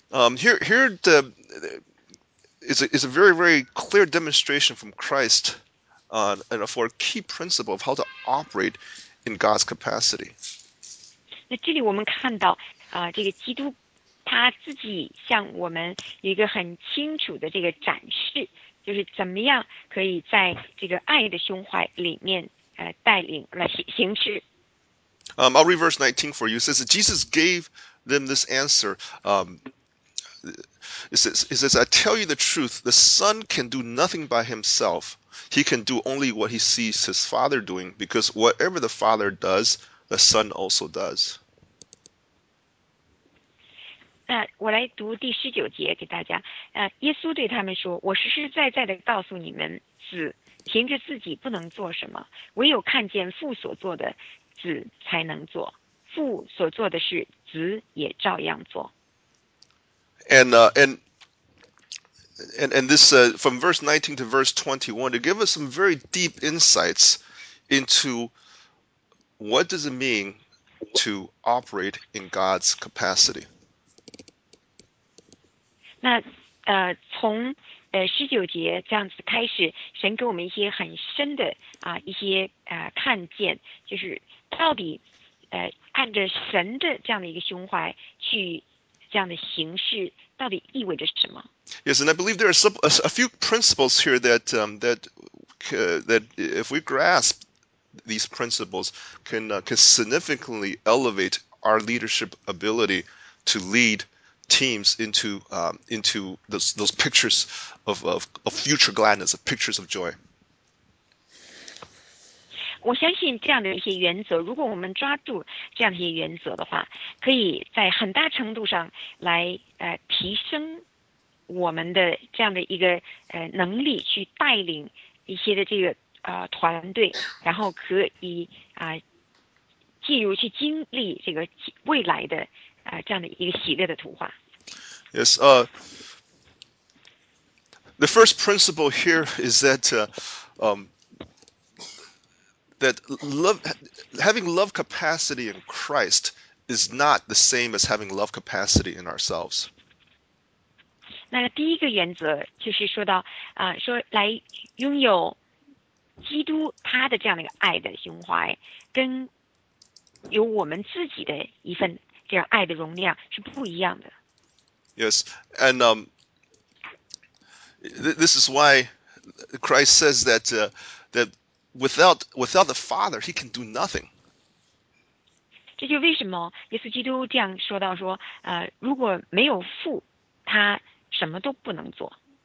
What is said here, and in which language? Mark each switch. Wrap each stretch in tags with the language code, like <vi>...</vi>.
<en>Here the is a very very clear demonstration from Christ, for a key principle of how to operate in God's capacity.</en> <zh>那这里我们看到这个基督他自己向我们有一个很清楚的这个展示。就是怎么样可以在这个爱的胸怀里面带领来行事。</zh> <en>I'll read verse 19 for you. It says that Jesus gave them this answer. It says, I tell you the truth, the Son can do nothing by himself. He can do only what he sees his Father doing, because whatever the Father does, the Son also does.</en> <zh>那我来读第十九节给大家。耶稣对他们说，我实实在在的告诉你们，子凭着自己不能做什么，唯有看见父所做的，子才能做，父所做的事，子也照样做。</zh> <en>And this from verse 19 to verse 21 to give us some very deep insights into what does it mean to operate in God's capacity.</en> <zh>那从十九节这样子开始，神给我们一些很深的一些看见，就是到底按着神的这样的一个胸怀去这样的形式，到底意味着什么？</zh> <en>Yes, and I believe there are a few principles here that that if we grasp these principles can significantly elevate our leadership ability to lead teams into those pictures of future gladness, of pictures of joy.</en> <zh>我相信这样的一些原则，如果我们抓住这样的一些原则的话，可以在很大程度上来提升我们的这样的一个能力，去带领一些的这个团队，然后可以进入去经历这个未来的这样的一个喜乐的图画。</zh> <en>Yes, the first principle here is that that love, having love capacity in Christ is not the same as having love capacity in ourselves.</en> <zh>那第一个原则就是说到说来拥有基督他的这样的一个爱的胸怀，跟有我们自己的一份这样爱的容量是不一样的。</zh> <en>Yes, and this is why Christ says that that without the Father, he can do nothing.</en> <zh>这就为什么耶稣基督这样说到说，如果没有父，他什么都不能做。</zh>